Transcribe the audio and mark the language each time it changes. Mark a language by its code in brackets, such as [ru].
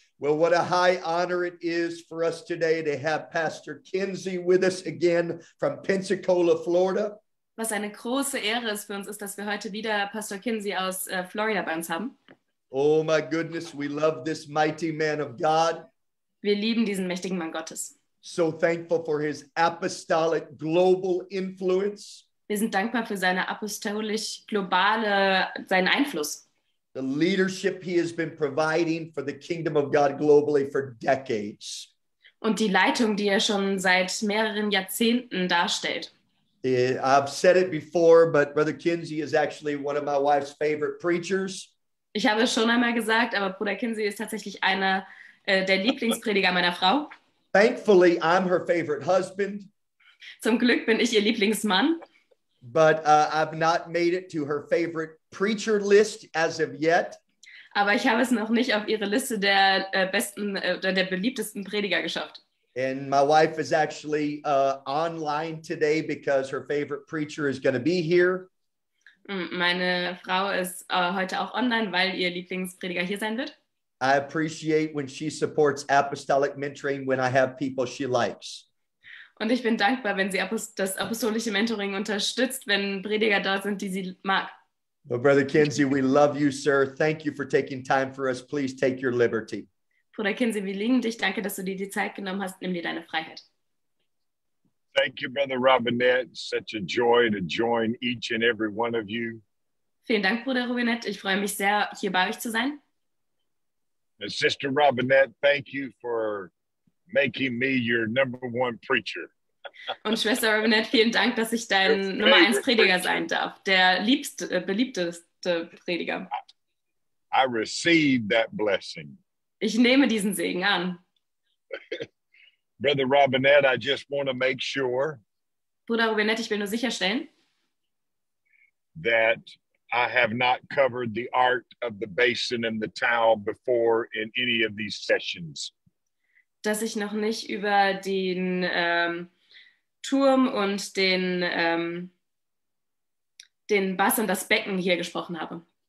[en] Well, what a high honor it is for us today to have Pastor Kinsey with us again from Pensacola, Florida. [de] Was eine große Ehre ist für uns ist, dass wir heute wieder Pastor Kinsey aus Florida bei uns haben. [en] Oh my goodness, we love this mighty man of God. [de] Wir lieben diesen mächtigen Mann Gottes. [en] So thankful for his apostolic global influence. [de] Wir sind dankbar für seine apostolisch globale seinen Einfluss. [en] The leadership he has been providing for the kingdom of God globally for decades. [de] Und die Leitung, die er schon seit mehreren Jahrzehnten darstellt. [en] I've said it before, but Brother Kinsey is actually one of my wife's favorite preachers. [de] Ich habe es schon einmal gesagt, aber Bruder Kinsey ist tatsächlich einer der Lieblingsprediger meiner Frau. [en] Thankfully, I'm her favorite husband. [de] Zum Glück bin ich ihr Lieblingsmann. [en] But I've not made it to her favorite preacher list as of yet. [de] aber ich habe es noch nicht auf ihre Liste der besten oder der beliebtesten Prediger geschafft. [en] And my wife is actually online today because her favorite preacher is going to be here. [de] Meine Frau ist heute auch online, weil ihr Lieblingsprediger hier sein wird. [en] I appreciate when she supports apostolic mentoring when I have people she likes. [de] Und ich bin dankbar, wenn sie das apostolische Mentoring unterstützt, wenn Prediger da sind, die sie mag. [en] Well, Brother Kinsey, we love you, sir. Thank you for taking time for us. Please take your liberty. [de] Bruder Kinsey, wir lieben dich. Danke, dass du dir die Zeit genommen hast. Nimm dir deine Freiheit. [en] Thank you, Brother Robinette. Such a joy to join each and every one of you. [de] Vielen Dank, Bruder Robinette. Ich freue mich sehr, hier bei euch zu sein. [en] And Sister Robinette, thank you for making me your number one preacher. [de] Und Schwester Robinette, vielen Dank, dass ich dein Nummer 1 Prediger sein darf. Der beliebteste Prediger. [en] I receive that blessing. [de] Ich nehme diesen Segen an. [en] Brother Robinette, I just want to make sure. [de] Bruder Robinette, ich will nur sicherstellen, [en] that I have not covered the art of the basin and the towel before in any of these sessions. [de] Dass ich noch nicht über den Turm und den Bass und das Becken hier gesprochen habe.